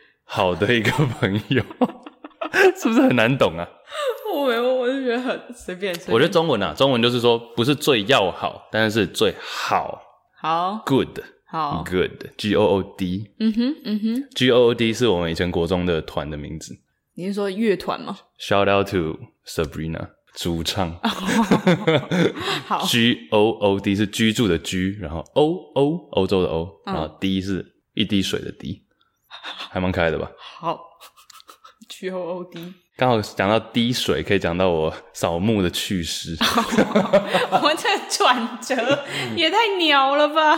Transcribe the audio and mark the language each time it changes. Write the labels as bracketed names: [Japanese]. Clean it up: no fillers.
[Chinese] 好的一个朋友是不是很难懂啊？我没有，我就觉得很随便。我觉得中文啊，中文就是说不是最要好，但是最好。好 [English] ，good， [Chinese] 好 [English] ，good，good，嗯哼，嗯哼 [Chinese] ，good 是我们以前国中的团的名字。你是说乐团吗 [English] ？Shout out to Sabrina， [Chinese] 主唱。好，good 是居住的居，然后 o 欧洲的 o，、嗯、然后 d 是一滴水的 d。还蛮可爱的吧？ [English] 好 ，G O O D， [Chinese] 刚好讲到滴水，可以讲到我扫墓的趣事。我这转折也太鸟了吧！